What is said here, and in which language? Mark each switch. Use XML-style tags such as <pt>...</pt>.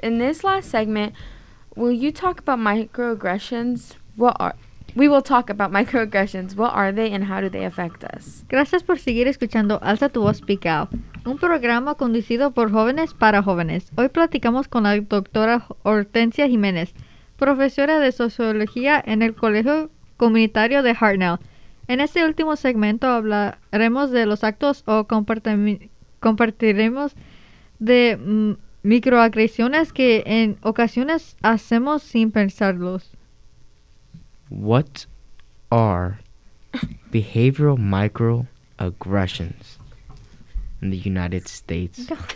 <en>In this last segment, will you talk about microaggressions? What are they and how do they affect us?</en> <es>Gracias por seguir escuchando Alta Tu Voz Speak Out, un programa conducido por jóvenes para jóvenes. Hoy platicamos con la doctora Hortensia Jiménez, profesora de sociología en el Colegio Comunitario de Hartnell. En este último segmento hablaremos de los actos o compartiremos de microagresiones que en ocasiones hacemos sin pensarlos.</es> <en>What are behavioral microaggressions in the United States?</en>